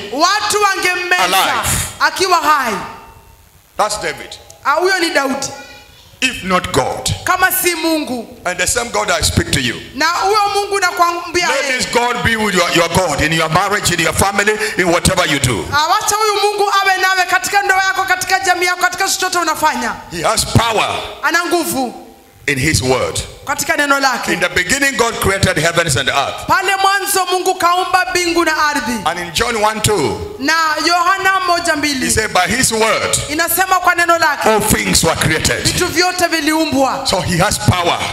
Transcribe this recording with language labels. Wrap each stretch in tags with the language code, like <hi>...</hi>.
<sw>Watu wangemeza.</sw> <en>Alive.</en> <sw>Akiwa hai.</sw> <en>That's David.</en> <sw>Huyo ni Daudi.</sw> <en>If not God.</en> <sw>Kama si Mungu.</sw> <en>And the same God I speak to you.</en> <sw>Na huyo Mungu nakwambia.</sw> <en>Let this God be with your God in your marriage, in your family, in whatever you do.</en> <sw>Awacha huyo Mungu awe nawe katika ndoa yako, katika jamii yako, katika chochote unafanya.</sw> <en>He has power.</en> <sw>Ana nguvu.</sw> <en>In his word.</en> <sw>Katika neno lake.</sw> <en>In the beginning God created heavens and earth.</en> <sw>Pale mwanzo Mungu kaumba mbingu na ardhi.</sw> <en>And in John 1:2.</en> <sw>Na Yohana 1:2.</sw> <en>He said by his word.</en> <sw>Inasema kwa neno lake.</sw> <en>All things were created.</en> <sw>Vitu vyote viliumbwa.</sw> <en>So he has power.</en>